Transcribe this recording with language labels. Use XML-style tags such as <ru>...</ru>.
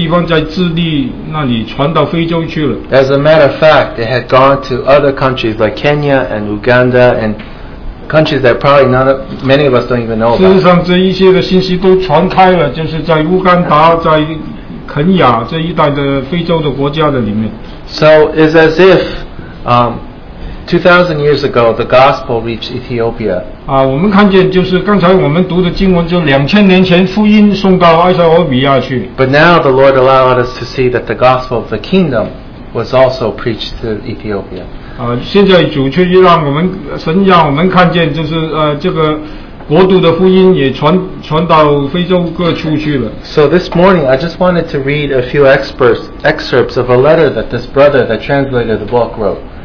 <zh>我父亲就很感动，因为他的信息就借助在南美洲这一个地方，在智利那里传到非洲去了。</zh> <en>As a matter of fact, it had gone to other countries like Kenya and Uganda and countries that probably many of us don't even know about.</en> <zh>事实上，这一些的信息都传开了，就是在乌干达，在 肯亚这一带的非洲的国家的里面。</zh> <en>So it's as if 2,000 years ago the gospel reached Ethiopia.</en> <zh>我们看见就是刚才我们读的经文，就2000年前福音送到埃塞俄比亚去。</zh> <en>But now the Lord allowed us to see that the gospel of the kingdom was also preached to Ethiopia.</en> <zh>现在主却让我们神让我们看见就是这个</zh> <en>So this morning, I just wanted to read a few excerpts of a letter that this brother that translated the book wrote.</en>